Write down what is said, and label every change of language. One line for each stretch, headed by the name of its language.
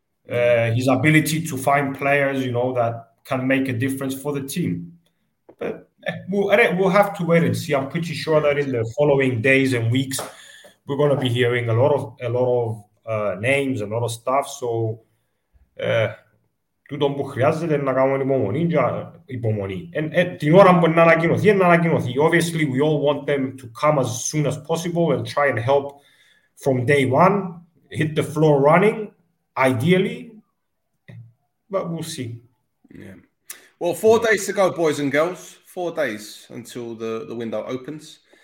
English: His ability to find players, you know, that can make a difference for the team. But we'll have to wait and see. I'm pretty sure that in the following days and weeks, we're going to be hearing a lot of names, a lot of stuff.
Greek: So, τούτον που χρειάζεται να κάνουμε υπομονή. Την ώρα που να ανακοινωθεί, να ανακοινωθεί.
English: Obviously, we all want them to come as soon as possible and try and help from day one, hit the floor running, ideally, but we'll see. Yeah. Well, 4 days to go, boys and girls. 4 days until the window opens.